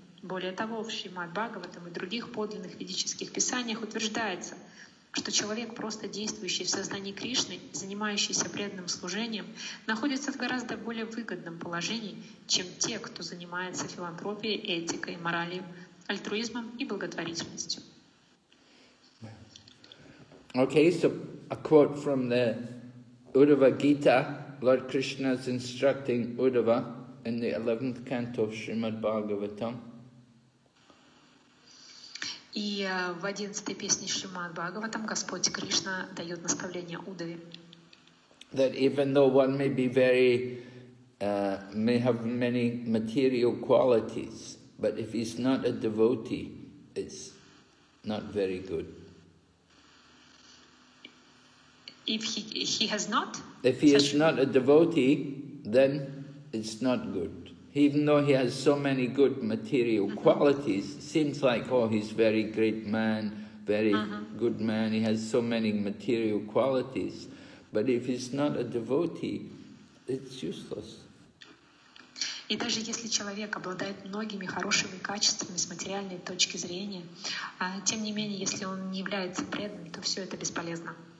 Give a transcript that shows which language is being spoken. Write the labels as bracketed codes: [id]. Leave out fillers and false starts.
[ru] Более того, в Шримад Бхагаватам и других подлинных ведических писаниях утверждается, что человек, просто действующий в сознании Кришны, занимающийся преданным служением, находится в гораздо более выгодном положении, чем те, кто занимается филантропией, этикой, моралью, альтруизмом и благотворительностью. [en] Okay, so a quote from the Uddhava Gita, Lord Krishna's instructing Uddhava in the 11th canto of Srimad Bhagavatam. [ru] И в 11-й песне Шримад Бхагаватам Господь Кришна дает наставление Удаве. [en] That even though one may be very, may have many material qualities, but if he's not a devotee, it's not very good. If he has not? If he is not a devotee, then it's not good. Even though he has so many good material qualities, seems like, oh, he's very great man, very good man, he has so many material qualities. But if he's not a devotee, it's useless. [ru] И даже если человек обладает многими хорошими качествами с материальной точки зрения, тем не менее, если он не является преданным, то все это бесполезно.